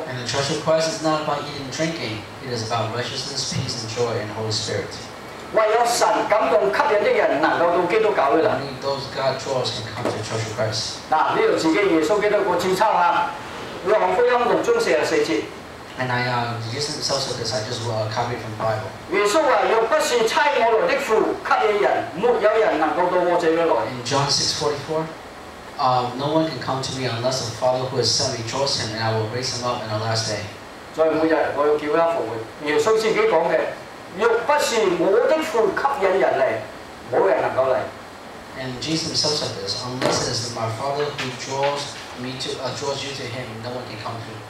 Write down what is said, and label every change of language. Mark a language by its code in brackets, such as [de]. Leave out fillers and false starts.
[en] And the Church of Christ is not about eating and drinking; it is about righteousness, peace, and joy in the Holy Spirit. [yue] 唯有神感動吸引的人能夠到基督教去啦。 [en] Only those God draws can come to the Church of Christ. [yue] 嗱，呢度自己耶穌基督個節操啦，約翰福音六章四十四節。 [en] And I use myself for this. I just copy from the Bible. [yue] 耶穌話：若不是差我來的父吸引人，沒有人能夠到我這裏來。 [en] In John 6:44, no one can come to me unless the Father who has sent me draws him, and I will raise him up in the last day. [yue] 在每日我要叫他復活。耶穌自己講嘅：若不是我的父吸引人嚟，冇人能夠嚟。 [en] And Jesus himself said this, unless it is my Father who draws me to, draws you to him, no one can come to me.